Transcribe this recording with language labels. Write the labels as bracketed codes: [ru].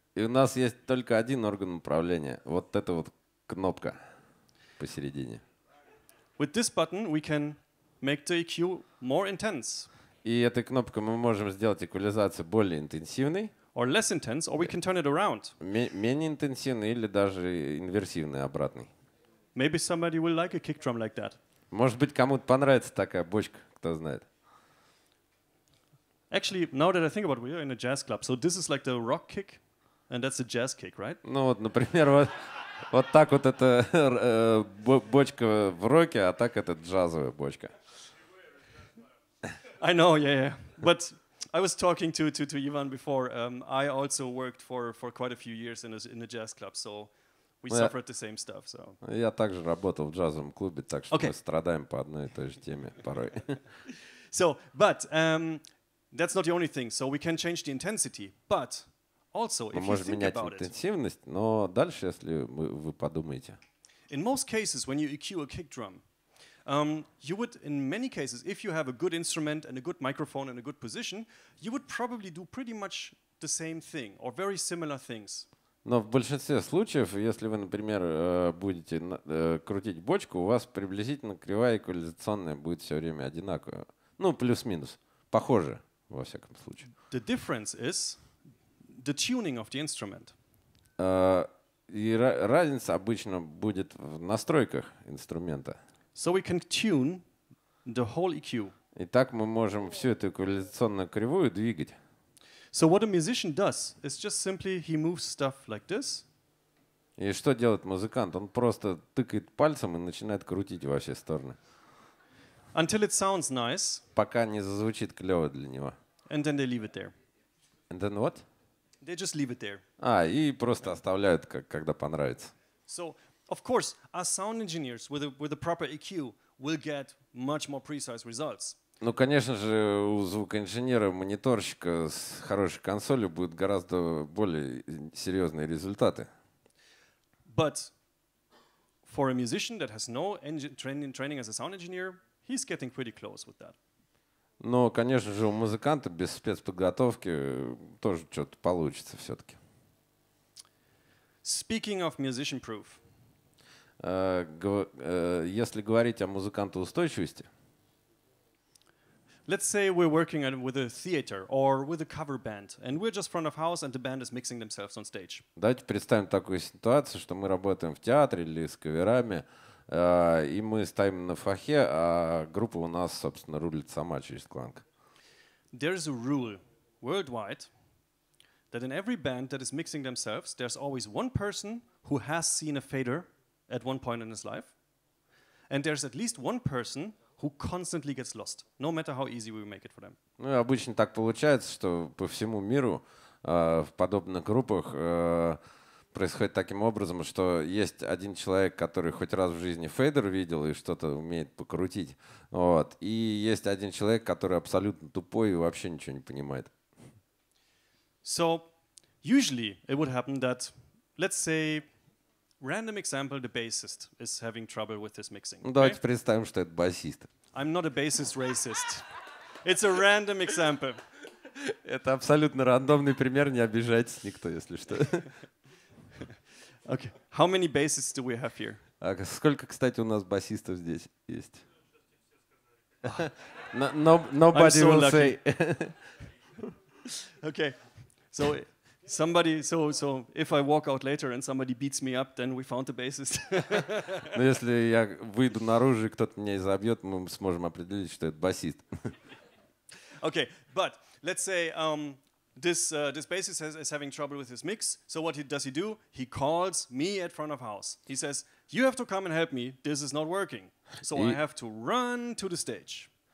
[ru] И у нас есть только один орган управления. Вот эта вот кнопка посередине. [en] With this button we can make the EQ more intense. [ru] И этой кнопкой мы можем сделать эквализацию более интенсивной. [en] Or less intense, or we can turn it around. [ru] Менее интенсивной или даже инверсивной, обратной. [en] Maybe somebody will like a kick drum like that. [ru] Может быть, кому-то понравится такая бочка, кто знает. [en] Actually, now that I think about it, we are in a jazz club. So this is like the rock kick, and that's a jazz kick, right? [ru] Ну вот, например, вот так вот эта бочка в роке, а так это джазовая бочка. [en] I know, yeah. But I was talking to Ivan before. I also worked for quite a few years in a jazz club, so we suffered the same stuff. So. [ru] Я также работал в джазовом клубе, так что мы страдаем по одной и той же теме порой. [en] So, but... That's not the only thing. So we can change the intensity, but also if you think about it. [ru] Интенсивность, но дальше, если вы подумаете. [en] In most cases, when you EQ a kick drum, you would, in many cases, if you have a good instrument and a good microphone and a good position, you would probably do pretty much the same thing or very similar things. [ru] Но в большинстве случаев, если вы, например, будете крутить бочку, у вас приблизительно кривая эквализационная будет все время одинаковая, ну плюс-минус, похоже. Во всяком случае. [en] The difference is the tuning of the instrument. [ru] Разница обычно будет в настройках инструмента. [en] So we can tune the whole EQ. [ru] И так мы можем всю эту эквализационную кривую двигать. [en] So what a musician does is just simply he moves stuff like this. [ru] И что делает музыкант? Он просто тыкает пальцем и начинает крутить во все стороны. [en] Until it sounds nice. [ru] Пока не зазвучит клево для него. [en] And then they leave it there. And then what? They just leave it there. [ru] А, и просто оставляют, когда понравится. [en] So, of course, as sound engineers with a proper EQ will get much more precise results. [ru] Ну, конечно же, у звукоинженера, мониторщика с хорошей консолью будут гораздо более серьезные результаты. [en] But for a musician that has no training as a sound engineer, he's getting pretty close with that. [ru] Но, конечно же, у музыканта без спецподготовки тоже что-то получится все-таки. [en] Speaking of musician proof. [ru] Если говорить о музыкантоустойчивости. [en] Let's say we're working with a theater or with a cover band, and we're just front of house and the band is mixing themselves on stage. [ru] Давайте представим такую ситуацию, что мы работаем в театре или с каверами, и мы стоим на фахе, а группа у нас, собственно, рулит сама через кланг. [en] There is a rule worldwide that in every band that is mixing themselves, there's always one person who has seen a fader at one point in his life, and there's at least one person who constantly gets lost, no matter how easy we make it for them. [ru] Ну, обычно так получается, что по всему миру в подобных группах происходит таким образом, что есть один человек, который хоть раз в жизни фейдер видел и что-то умеет покрутить, вот, и есть один человек, который абсолютно тупой и вообще ничего не понимает. [en] So, usually it would happen that, let's say, random example, the bassist is having trouble with his mixing. Okay? [ru] Давайте представим, что это басист. [en] I'm not a bassist racist. It's a random example. [ru] Это абсолютно рандомный пример, не обижайтесь никто, если что. [en] Okay. How many bassists do we have here? [ru] А сколько, кстати, у нас басистов здесь есть? [en] No, nobody so will lucky. Say. Okay. So somebody, so if I walk out later and somebody beats me up, then we found the bassist. [ru] Но если я выйду наружу и кто-то меня изобьет, мы сможем определить, что это басист. [en] Okay, but let's say this bassist is having trouble with his mix. So what does he do? He calls me at front of house. He says, "You have to come and help me. This is not working." So I have to run to the stage.